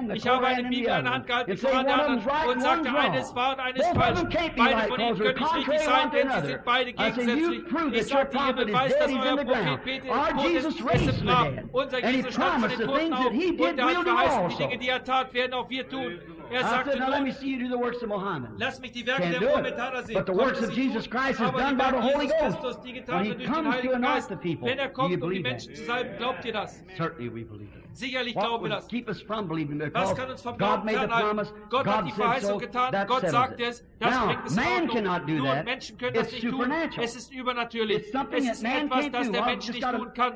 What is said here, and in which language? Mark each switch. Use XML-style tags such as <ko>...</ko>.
<de>Ich habe eine Bibel in der Hand gehalten, die Koran der anderen, und sagte, eines wahr und eines falsch. Beide von ihnen können nicht richtig sein, denn sie sind beide gegensätzlich. Ich sagte, ihr beweist, dass euer Prophet Peter im Boden ist im Grab. Unser Jesus stand von den Toten auf, und er hat verheißen, die Dinge, die er tat, werden auch wir tun. Er sagte,</de> <en>now let me see you do the works of Mohammed.</en> <de>Lass mich die Werke der Mohammedaner sehen.</de> <en>But the works of Jesus Christ is done by the Holy Ghost. When he comes to anoint the people,</en> <de>wenn er kommt, um die Menschen zu salben, glaubt ihr das?</de> <en>Certainly we believe it.</en> <de>Sicherlich glaube das.</de> <en>Keep us from believing because</en> <de>was kann uns vom Glauben fernhalten? Gott hat die Verheißung getan. Gott sagt es. Das bringt es in Ordnung. Nur Menschen können das nicht tun. Es ist übernatürlich. Es ist etwas, das der Mensch nicht tun kann.</de>